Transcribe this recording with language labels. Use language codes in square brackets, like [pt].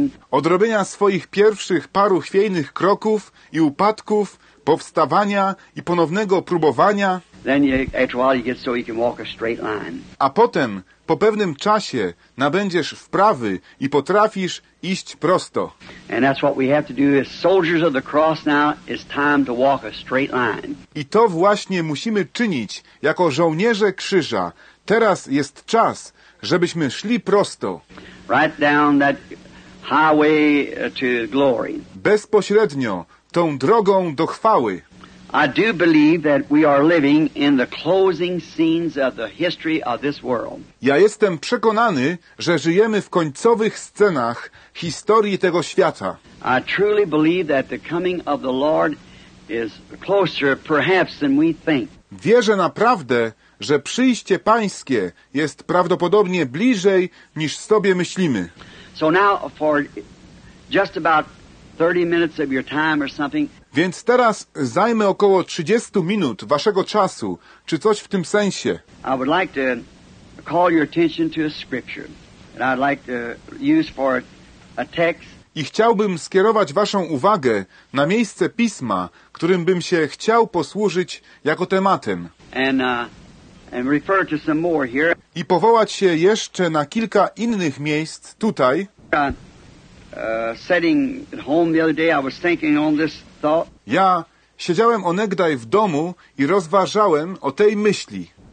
[pl] Od robienia swoich pierwszych paru chwiejnych kroków i upadków, powstawania i ponownego próbowania. [en] Then you, after a while you get so you can walk a straight line. [pl] A potem, po pewnym czasie, nabędziesz wprawy i potrafisz iść prosto. [en] And that's what we have to do as soldiers of the cross now, it's time to walk a straight line. [pl] I to właśnie musimy czynić jako żołnierze krzyża. Teraz jest czas, żebyśmy szli prosto. [en] Right down that highway to glory. [pl] Bezpośrednio tą drogą do chwały. [en] I do believe that we are living in the closing scenes of the history of this world. [pl] Ja jestem przekonany, że żyjemy w końcowych scenach historii tego świata. [en] I truly believe that the coming of the Lord is closer perhaps than we think. [pl] Wierzę naprawdę, że przyjście Pańskie jest prawdopodobnie bliżej niż sobie myślimy. [en] So now for just about 30 minutes of your time or something. [pl] Więc teraz zajmę około 30 minut waszego czasu, czy coś w tym sensie. [en] I would like to call your attention to a scripture. And I'd like to use for a text. [pl] I chciałbym skierować waszą uwagę na miejsce pisma, którym bym się chciał posłużyć jako tematem. [en] And refer to some more here. [pl] I powołać się jeszcze na kilka innych miejsc tutaj. [en] Sitting at home the other day, I was thinking on this. [pl] Ja siedziałem onegdaj w domu i rozważałem o tej myśli.